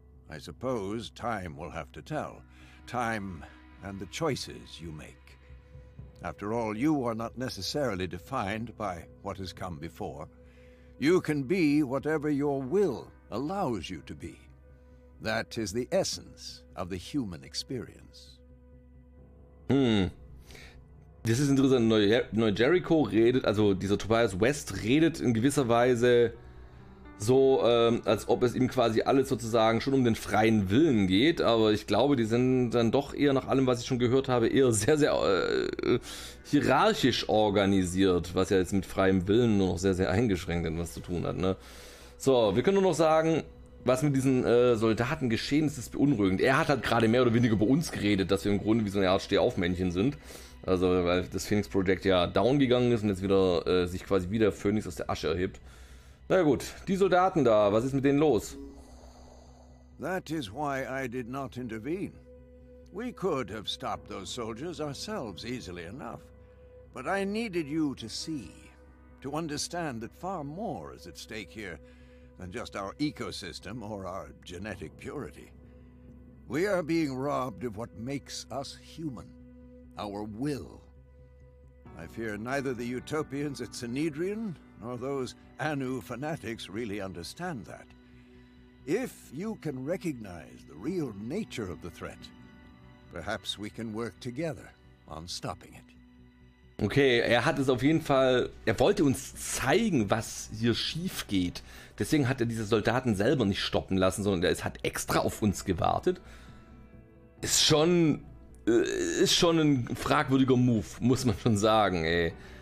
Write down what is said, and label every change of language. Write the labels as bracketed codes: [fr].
[en] I suppose time will have to tell. Time and the choices you make. After all, you are not necessarily defined by what has come before. You can be whatever your will allows you to be. That is the essence of the human experience. [de] Das ist interessant. Neu-Jericho redet, also dieser Tobias West redet in gewisser Weise so, als ob es ihm quasi alles sozusagen schon um den freien Willen geht, aber ich glaube, die sind dann doch eher nach allem, was ich schon gehört habe, eher sehr, sehr hierarchisch organisiert, was ja jetzt mit freiem Willen nur noch sehr, sehr eingeschränkt in was zu tun hat, ne? So, wir können nur noch sagen, was mit diesen Soldaten geschehen ist, ist beunruhigend. Er hat halt gerade mehr oder weniger bei uns geredet, dass wir im Grunde wie so eine Art Stehaufmännchen sind. Also, weil das Phoenix Project ja down gegangen ist und jetzt wieder sich quasi wieder Phoenix aus der Asche erhebt. Na gut, die Soldaten da, was ist mit denen los? [en] That is why I did not intervene. We could have stopped those soldiers ourselves easily enough. But I needed you to see, to understand that far more is at stake here than just our ecosystem or our genetic purity. We are being robbed of what makes us human, our will. I fear neither the Utopians at Sanhedrin nor those Anu fanatics really understand that. If you can recognize the real nature of the threat, perhaps we can work together on stopping it. [de] Okay, er hat es auf jeden Fall, er wollte uns zeigen, was hier schief geht. Deswegen hat er diese Soldaten selber nicht stoppen lassen, sondern er hat extra auf uns gewartet. Ist schon ein fragwürdiger Move, muss man schon sagen, ey.